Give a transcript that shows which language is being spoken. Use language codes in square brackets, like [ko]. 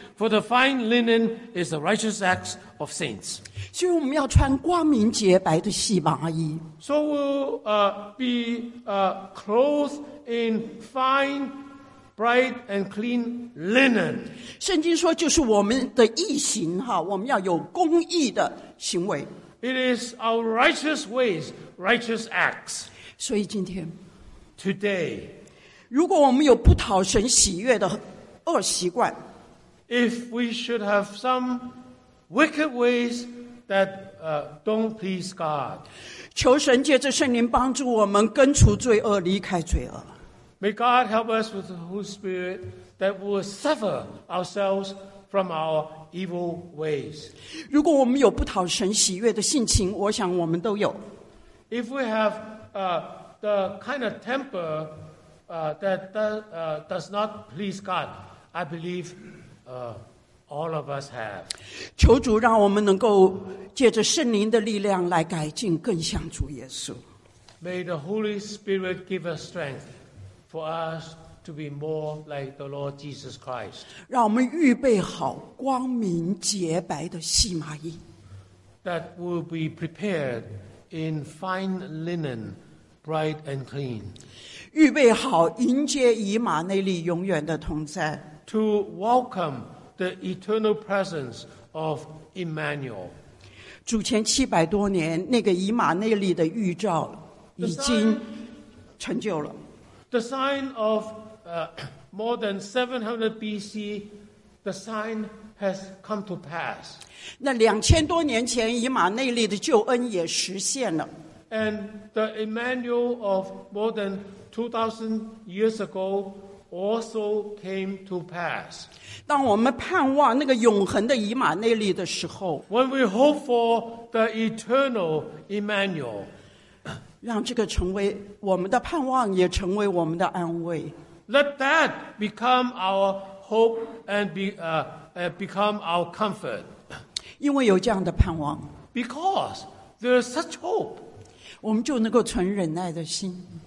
[en] For the fine linen is the righteous acts of saints. [zh] 所以我们要穿光明洁白的细麻衣。 [en] So we'll be clothed in fine, bright and clean linen. [zh] 圣经说就是我们的义行，我们要有公义的行为。 [en] It is our righteous ways, righteous acts. [zh] 所以今天 [en] today, [zh] 如果我们有不讨神喜悦的恶习惯， [en] if we should have some wicked ways that don't please God, [zh] 求神借着圣灵帮助我们根除罪恶，离开罪恶。 [en] May God help us with the Holy Spirit that we will sever ourselves from our evil ways. [zh] 如果我们有不讨神喜悦的性情，我想我们都有。 [en] If we have the kind of temper that does not please God, I believe all of us have. [zh] 求主让我们能够借着圣灵的力量来改进，更像主耶稣。 [en] May the Holy Spirit give us strength. For us to be more like the Lord Jesus Christ. [zh] 让我们预备好光明洁白的细麻衣。 [en] That will be prepared in fine linen, bright and clean. [zh] 预备好迎接以马内利永远的同在。 [en] To welcome the eternal presence of Immanuel. [zh] 主前七百多年，那个以马内利的预兆已经成就了。 [en] The sign of more than 700 BC, the sign has come to pass. [zh] 那两千多年前，以马内利的救恩也实现了。 [en] And the Immanuel of more than 2,000 years ago also came to pass. [zh] 当我们盼望那个永恒的以马内利的时候 [en] ，When we hope for the eternal Immanuel. [zh] 让这个成为我们的盼望，也成为我们的安慰。 [en] Let that become our hope and become our comfort. [zh] 因为有这样的盼望 [en] ，because there is such hope， [zh] 我们就能够存忍耐的心。